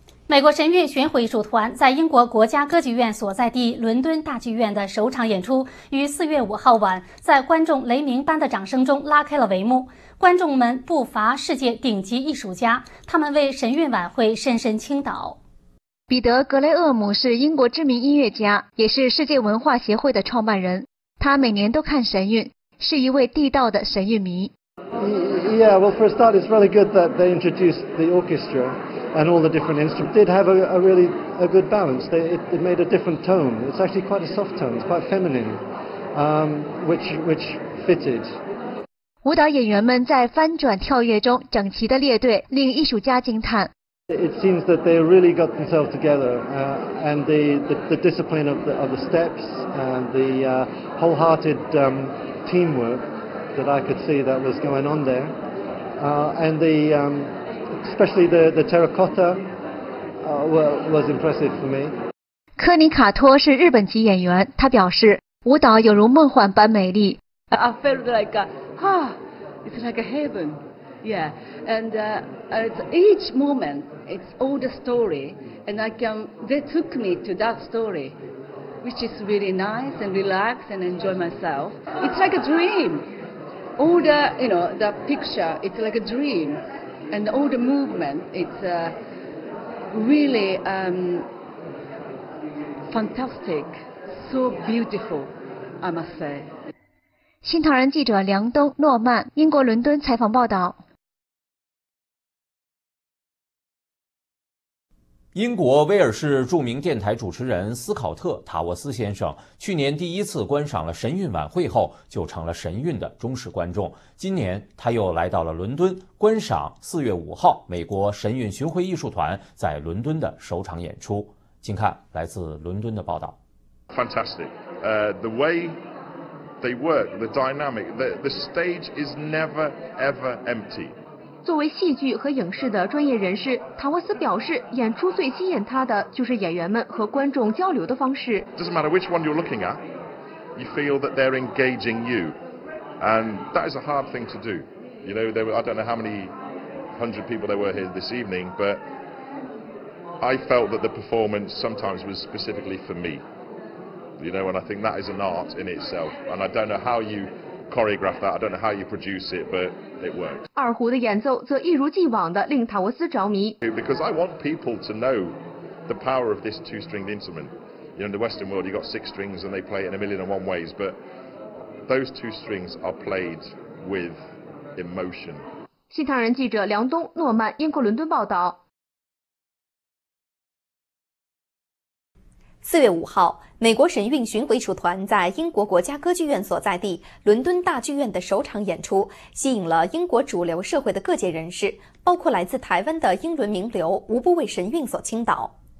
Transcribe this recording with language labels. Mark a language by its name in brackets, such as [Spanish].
[Chinese] 美国神韵巡回艺术团在英国国家歌剧院所在地伦敦大剧院的首场演出于4月5号晚在观众雷鸣般的掌声中拉开了帷幕。观众们不乏世界顶级艺术家，他们为神韵晚会深深倾倒。彼得·格雷厄姆是英国知名音乐家，也是世界文化协会的创办人，他每年都看神韵，是一位地道的神韵迷。 [English] Yeah, well, for a start, it's really good that they introduced the orchestra and all the different instruments. It did have a really good balance. It made a different tone. It's actually quite a soft tone. It's quite feminine, which fitted. [Chinese] 舞蹈演员们在翻转跳跃中整齐的列队，令艺术家惊叹。 [English] It seems that they really got themselves together, and the discipline of the steps and the wholehearted teamwork. That I could see that was going on there, and the especially the terracotta was impressive for me. [Chinese] 科尼卡托是日本籍演员，他表示舞蹈有如梦幻般美丽。 [English] I felt like it's like a heaven, yeah. And each moment, it's all the story, and they took me to that story. Which is really nice and relaxed and enjoy myself. It's like a dream. All the, you know, the picture, it's like a dream. And all the movement, it's really fantastic. So beautiful, I must say. [Chinese] 新唐人记者梁东、诺曼，英国伦敦采访报道。英国威尔士著名电台主持人斯考特·塔沃斯先生去年第一次观赏了神韵晚会后就成了神韵的忠实观众，今年他又来到了伦敦观赏4月5号美国神韵巡回艺术团在伦敦的首场演出。请看来自伦敦的报道。 [English] Fantastic. The way they work, the dynamic, the stage is never ever empty. [Chinese] 作为戏剧和影视的专业人士，塔沃斯表示，演出最吸引他的就是演员们和观众交流的方式。 [English] Doesn't matter which one you're looking at, you feel that they're engaging you, and that is a hard thing to do. You know, there were, I don't know how many hundred people there were here this evening, but I felt that the performance sometimes was specifically for me. You know, and I think that is an art in itself, and I don't know how you. Choreograph that. I don't know how you produce it, but it works. [Chinese] 二胡的演奏则一如既往地令塔沃斯着迷。 [English] Because I want people to know the power of this two-stringed instrument. You know, in the Western world, you've got six strings and they play it in a million and one ways, but those two strings are played with emotion. [Chinese] 新唐人记者梁东、诺曼，英国伦敦报道。 4月5号，美国神韵巡回艺术团在英国国家歌剧院所在地伦敦大剧院的首场演出，吸引了英国主流社会的各界人士，包括来自台湾的英伦名流，无不为神韵所倾倒。